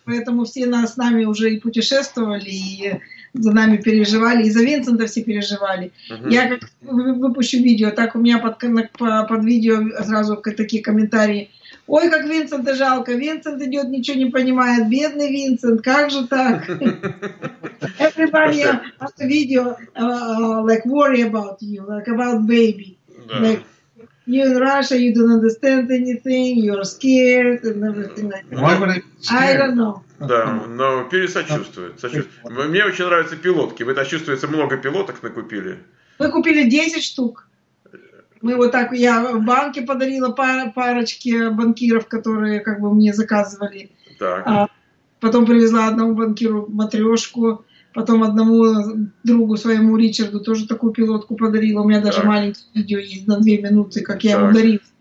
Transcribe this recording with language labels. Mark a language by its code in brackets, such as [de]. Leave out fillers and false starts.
[ru] Поэтому все с нами уже и путешествовали, и за нами переживали, и за Винсента все переживали. Я как выпущу видео, так у меня под видео сразу такие комментарии. Ой, как Винсента жалко, Винсент идет, ничего не понимает, бедный Винсент, как же так? [en] Everybody has a video, like, worry about you, like, about baby. [ru] Да. [en] You're in Russia, you don't understand anything, you're scared and everything like that. Why would I be scared? I don't know. [ru] Да, но пересочувствует. Мне очень нравятся пилотки. Вы чувствуете, много пилоток накупили? Мы купили 10 штук. Мы вот так, я в банке подарила парочке банкиров, которые как бы мне заказывали. Так. А потом привезла одному банкиру матрешку, потом одному другу своему Ричарду тоже такую пилотку подарила. У меня даже маленькое видео есть на 2 минуты, как я его дарил.